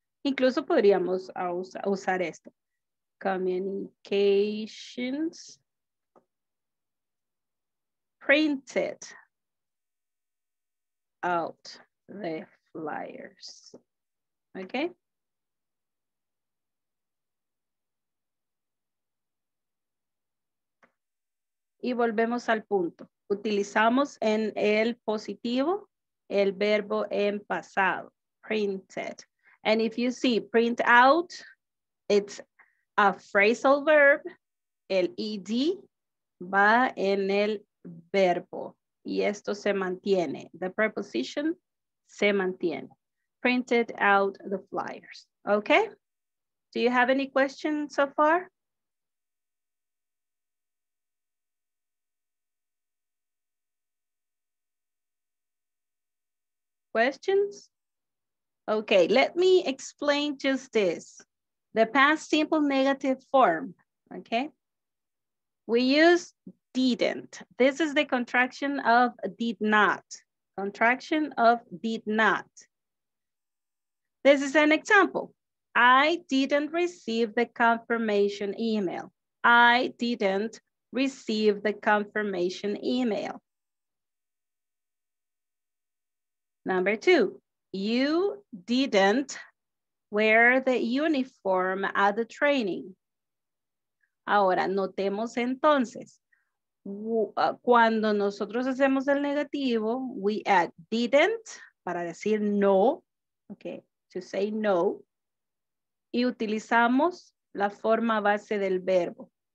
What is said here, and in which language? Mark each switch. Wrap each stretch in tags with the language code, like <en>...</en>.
<es>Incluso podríamos usar esto.</es> <en>Communications printed out the flyers. Okay?</en> <es>y volvemos al punto. Utilizamos en el positivo el verbo en pasado, printed.</es> <en>And if you see print out, it's a phrasal verb.</en> <es>El ed va en el verbo y esto se mantiene.</es> <en>The preposition</en> <es>se mantiene.</es> <en>Printed out the flyers. Okay? Do you have any questions so far? Questions? Okay, let me explain just this. The past simple negative form, okay? We use didn't. This is the contraction of did not. Contraction of did not. This is an example. I didn't receive the confirmation email. I didn't receive the confirmation email. Number two, you didn't wear the uniform at the training.</en> <es>Ahora, notemos entonces, cuando nosotros hacemos el negativo,</es> <en>we add didn't,</en> <es>para decir no, okay,</es> <en>to say no,</en> <es>y utilizamos la forma base del verbo.</es>